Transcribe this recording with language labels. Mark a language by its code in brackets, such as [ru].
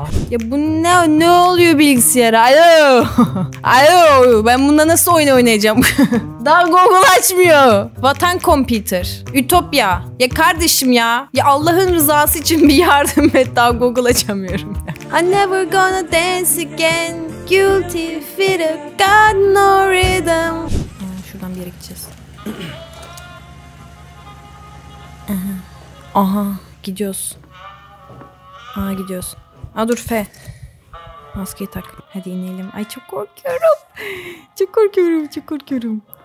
[tr] Ya bu ne oluyor bilgisayara? Alo. Alo. Ben bunda nasıl oyun oynayacağım? Daha Google açmıyor. Vatan Computer. Ütopya. Ya kardeşim ya. Ya Allah'ın rızası için bir yardım et. Daha Google açamıyorum ya. [en] I never gonna dance again. Guilty feet have got no rhythm. [tr] Şuradan bir yere gideceğiz. Aha. Gidiyoruz. Aa gidiyoruz. Aa dur F. Maskeyi tak. Hadi inelim. Ay çok korkuyorum. Çok korkuyorum. Çok korkuyorum.